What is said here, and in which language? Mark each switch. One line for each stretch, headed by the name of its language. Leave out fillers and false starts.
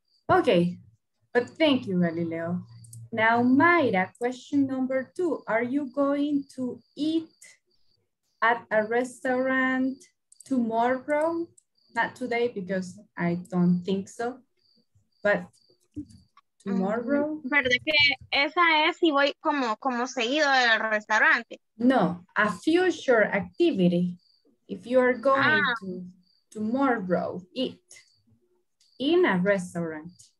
English: Okay, but thank you, Galileo. Now, Mayra, question number two. Are you going to eat at a restaurant tomorrow? Not today, because I don't think so, but tomorrow?
Spanish: ¿Verdad que esa es si voy como seguido al restaurante?
English: No, a future activity. If you are going to tomorrow eat in a restaurant.